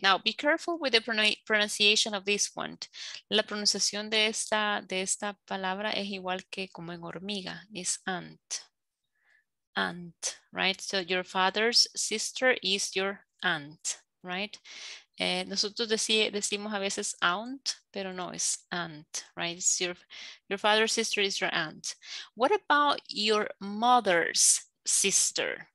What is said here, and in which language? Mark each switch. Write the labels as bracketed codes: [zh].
[en] Now, be careful with the pronunciation of this one. [es] La pronunciación de esta palabra es igual que como en hormiga. [en] Is aunt. Aunt, right? So your father's sister is your aunt, right? [es] Nosotros decimos a veces aunt, pero no, [en] it's aunt, right? It's your father's sister is your aunt. What about your mother's sister?